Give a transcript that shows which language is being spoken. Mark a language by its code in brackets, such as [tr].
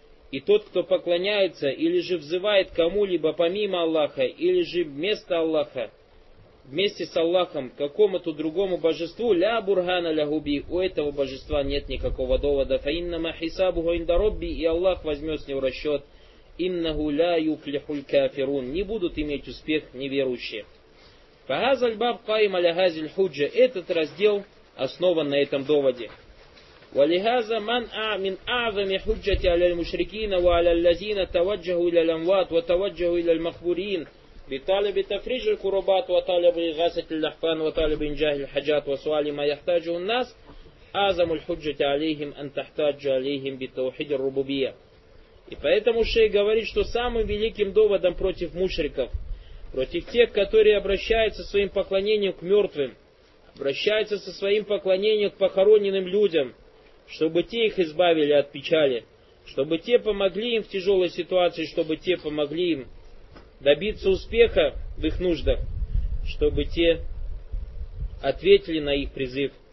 [ru] И тот, кто поклоняется или же взывает кому-либо помимо Аллаха, или же вместо Аллаха, вместе с Аллахом, какому-то другому божеству, [ar] «Ля бурхана ляху би», [ru] у этого божества нет никакого довода. [ar] «Фа иннама хисабуху инда Робби», [ru] и Аллах возьмет с него расчет. [ar] «Иннаху ля юфлихуль кафирун», [ru] не будут иметь успех неверующие. [ar] «Фагазаль баб кайма ля газиль худжа», [ru] этот раздел основан на этом доводе. [ar] ولهذا من من أعظم حجة على المشركين وعلى الذين توجهوا إلى الأموات وتوجهوا إلى المقبورين بطلب تفريج الكربات وطلب إغاثة الأحفان وطلب إنجاح الحاجات وسؤال ما يحتاجه الناس أعظم الحجة عليهم أن تحتاج عليهم بالتوحيد الربوبية. [ru] И поэтому шейх говорит, что самым великим доводом против мушриков, против тех, которые обращаются своим поклонением к мертвым, обращаются со своим поклонением к похороненным людям, чтобы те их избавили от печали, чтобы те помогли им в тяжелой ситуации, чтобы те помогли им добиться успеха в их нуждах, чтобы те ответили на их призыв.